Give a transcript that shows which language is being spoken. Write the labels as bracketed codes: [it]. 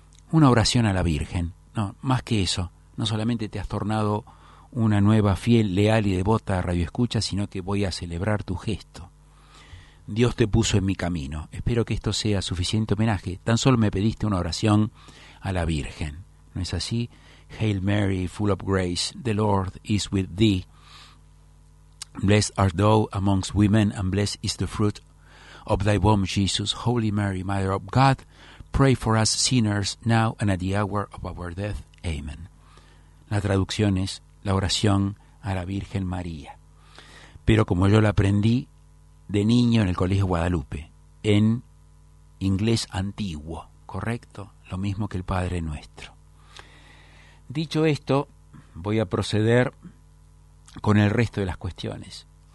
[es] Una oración a la Virgen. No, más que eso, no solamente te has tornado una nueva fiel, leal y devota a Radio Escucha, sino que voy a celebrar tu gesto. Dios te puso en mi camino. Espero que esto sea suficiente homenaje. Tan solo me pediste una oración a la Virgen. ¿No es así? [en] Hail Mary, full of grace, the Lord is with thee. Blessed art thou amongst women, and blessed is the fruit of thy womb, Jesus. Holy Mary, Mother of God, pray for us sinners, now and at the hour of our death. Amen. [es] La traducción es la oración a la Virgen María. Pero como yo la aprendí de niño en el Colegio Guadalupe, en inglés antiguo, ¿correcto? Lo mismo que el Padre Nuestro. Dicho esto, voy a proceder con el resto de las cuestiones.